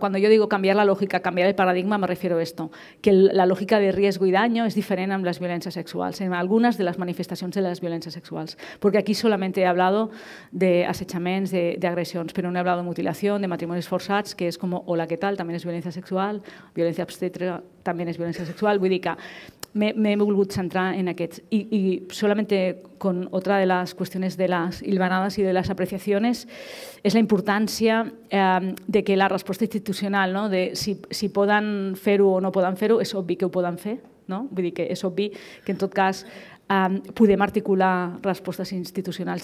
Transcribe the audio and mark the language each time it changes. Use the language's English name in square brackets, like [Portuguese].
[Catalan] Quan jo digo canviar la lògica, canviar el paradigma, [Spanish] me refiero a esto, [Catalan] que la lògica de riesgo i daño és diferent amb les violències sexuals, en algunes de les manifestacions de les violències sexuals. Perquè aquí solament he hablado d'assetjaments, d'agressions, però no he hablado de mutilació, de matrimonis forçats, que és com, hola, què tal, també és violència sexual, violència obstètrica també és violència sexual, vull dir que m'he volgut centrar en aquests. [Spanish] I solament con otra de las cuestiones de las hilvanadas y de las apreciaciones es la importancia de que la respuesta institucional, ¿no? [Catalan] De si poden fer-ho o no poden fer-ho, és obvi que ho poden fer, ¿no? Vull dir que és obvi que en tot cas podem articular respostes institucionals.